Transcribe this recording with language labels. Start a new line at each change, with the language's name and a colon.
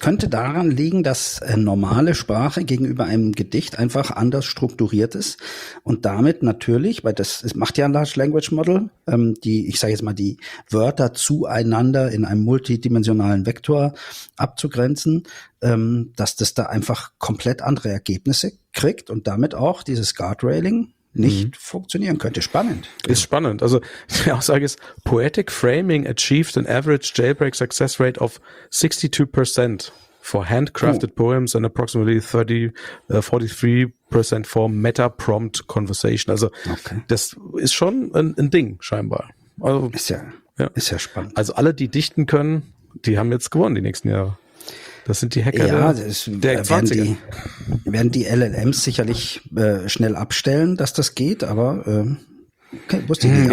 German: Könnte daran liegen, dass normale Sprache gegenüber einem Gedicht einfach anders strukturiert ist und damit natürlich, weil es macht ja ein Large Language Model, ich sage jetzt mal, die Wörter zueinander in einem multidimensionalen Vektor abzugrenzen, dass das da einfach komplett andere Ergebnisse kriegt und damit auch dieses Guardrailing nicht funktionieren könnte. Spannend. Ist spannend. Also die Aussage ist,
English: Poetic Framing achieved an average jailbreak success rate of 62% for handcrafted poems and approximately 43% for meta prompt conversation.
German: Also Okay. das ist schon ein Ding, scheinbar. Also Ist ja spannend. alle, die dichten können, die haben jetzt gewonnen die nächsten Jahre. Das sind die Hacker Ja, der Zwanziger. werden die LLMs sicherlich schnell abstellen, dass das geht, aber okay, wusste ich nicht.